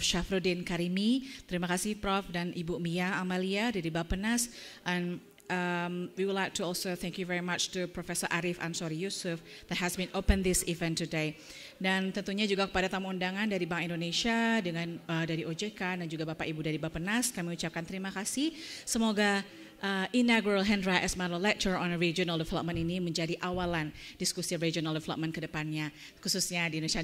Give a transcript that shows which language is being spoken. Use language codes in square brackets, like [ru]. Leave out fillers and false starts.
[id] Syafruddin Karimi. Terima kasih Prof. dan Ibu Mia Amalia dari Bappenas. [en] And We would like to also thank you very much to Professor Arif Ansori Yusuf that has been open this event today. [id] Dan tentunya juga kepada tamu undangan dari Bank Indonesia dengan dari OJK dan juga Bapak Ibu dari Bappenas, kami ucapkan terima kasih. Semoga Inaugural Hendra Esmara Lecture on Regional Development ini menjadi awalan diskusi regional development ke depannya, khususnya di Indonesia.